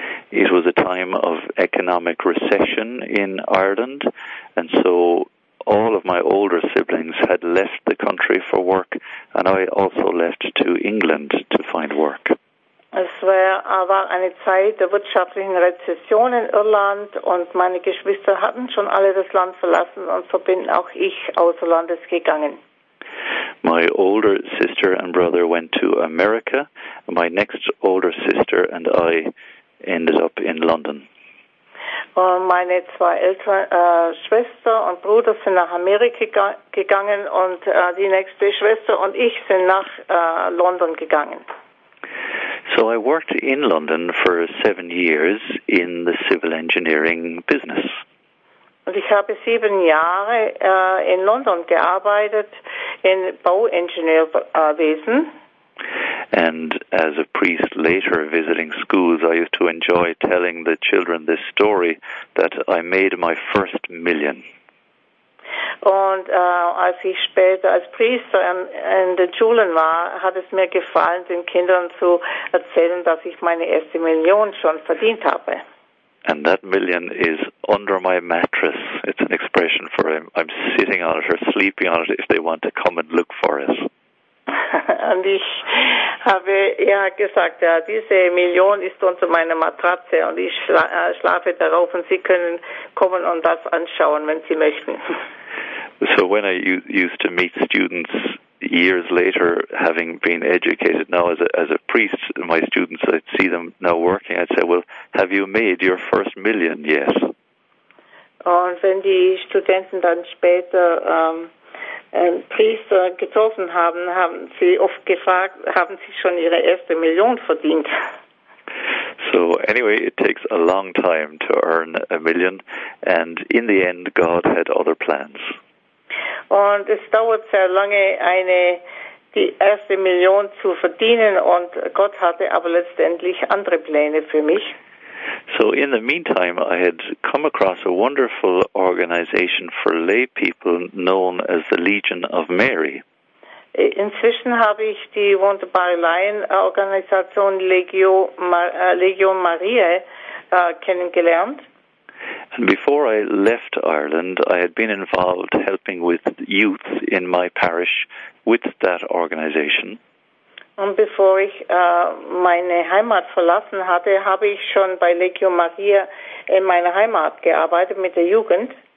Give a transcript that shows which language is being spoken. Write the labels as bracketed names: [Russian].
[English] It was a time of economic recession in Ireland, and so all of my older siblings had left the country for work, and I also left to England to find work. [German] Es war aber eine Zeit der wirtschaftlichen Rezession in Irland, und meine Geschwister hatten schon alle das Land verlassen, und so bin auch ich außer Landes gegangen. [English] My older sister and brother went to America. My next older sister and I ended up in London. [German] Und meine zwei älteren Schwester und Bruder sind nach Amerika gegangen, und die nächste Schwester und ich sind nach London gegangen. [English] So I worked in London for 7 years in the civil engineering business. [German] Und ich habe 7 Jahre in London gearbeitet in Bauingenieurwesen. [English] And as a priest later visiting schools, I used to enjoy telling the children this story that I made my first million. [German] Und als ich später als Priester in den Schulen war, hat es mir gefallen, den Kindern zu erzählen, dass ich meine erste Million schon verdient habe. [English] And that million is under my mattress. It's an expression for I'm sitting on it or sleeping on it if they want to come and look for it. [German] Und ich habe ja gesagt, ja, diese Million ist unter meiner Matratze, und ich schlafe darauf, und Sie können kommen und das anschauen, wenn Sie möchten. [English] So when I used to meet students years later, having been educated now as a priest, my students, I'd see them now working, I'd say, well, have you made your first million yet? [German] Und wenn die Studenten dann später Priester getroffen haben, haben sie oft gefragt, haben sie schon ihre erste Million verdient? [English] So anyway, it takes a long time to earn a million, and in the end, God had other plans. [German] Und es dauert sehr lange, die erste Million zu verdienen, und Gott hatte aber letztendlich andere Pläne für mich. [English] So in the meantime, I had come across a wonderful organization for lay people known as the Legion of Mary. [German] Inzwischen habe ich die wunderbare Laienorganisation Legion Mariae kennengelernt. [English] And before I left Ireland, I had been involved helping with youth in my parish with that organization. [German] Und bevor ich meine Heimat verlassen hatte, habe ich schon bei Legio Maria in meiner Heimat gearbeitet mit der Jugend.